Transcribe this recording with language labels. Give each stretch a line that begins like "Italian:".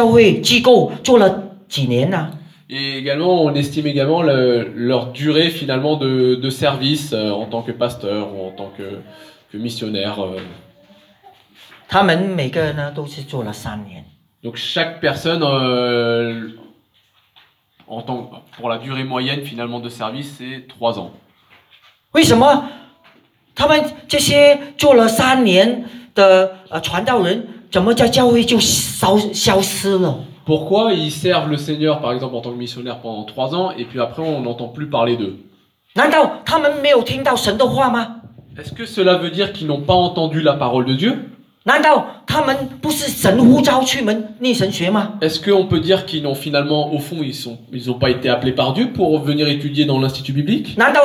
Chinese: 然后他就做第二个的评估呢，他说，哎，这些传道人、牧师、宣教士，他们在教会机构做了几年呢？
French: Et également, on estime également leur durée finalement de service en tant que pasteur ou en tant que missionnaire.
Chinese: 他们每个人呢都是做了三年。
French: Donc chaque personne, en tant que, pour la durée moyenne finalement de service, c'est 3 ans.
Chinese: 为什么他们这些做了三年的传道人，怎么在教会就消失了？
French: Pourquoi ils servent le Seigneur, par exemple, en tant que missionnaire pendant 3 ans, et puis après on n'entend plus parler d'eux?
Chinese: 难道他们没有听到神的话吗？
French: Est-ce que cela veut dire qu'ils n'ont pas entendu la parole de Dieu?
Chinese: 难道他们不是神呼召去门念神学吗？
French: Est-ce qu'on peut dire qu'ils n'ont finalement, au fond, ils n'ont pas été appelés par Dieu pour venir étudier dans l'institut biblique?